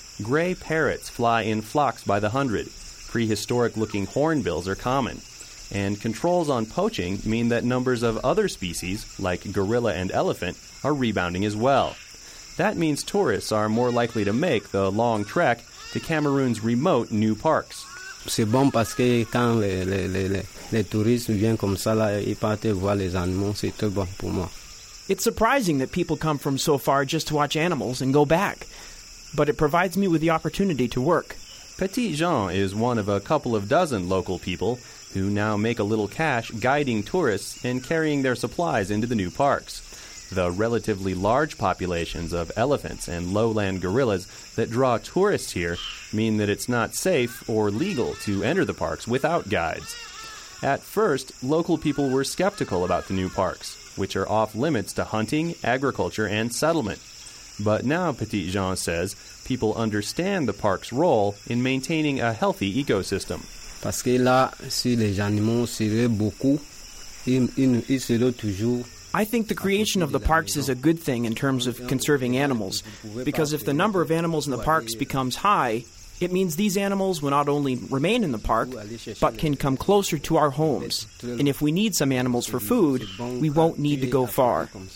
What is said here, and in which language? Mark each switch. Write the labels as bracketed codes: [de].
[en] Gray parrots fly in flocks by the hundred. Prehistoric-looking hornbills are common. And controls on poaching mean that numbers of other species, like gorilla and elephant, are rebounding as well. That means tourists are more likely to make the long trek to Cameroon's remote new parks. [fr] C'est bon parce que quand les touristes viennent comme ça là, ils partent voir les animaux, c'est très bon pour moi. [en] It's surprising that people come from so far just to watch animals and go back. But it provides me with the opportunity to work. Petit Jean is one of a couple of dozen local people who now make a little cash guiding tourists and carrying their supplies into the new parks. The relatively large populations of elephants and lowland gorillas that draw tourists here mean that it's not safe or legal to enter the parks without guides. At first, local people were skeptical about the new parks, which are off-limits to hunting, agriculture, and settlement. But now, Petit Jean says, people understand the park's role in maintaining a healthy ecosystem. [fr] Parce que là, si les animaux seraient beaucoup, ils seraient toujours... [en] I think the creation of the parks is a good thing in terms of conserving animals, because if the number of animals in the parks becomes high, it means these animals will not only remain in the park, but can come closer to our homes. And if we need some animals for food, we won't need to go far.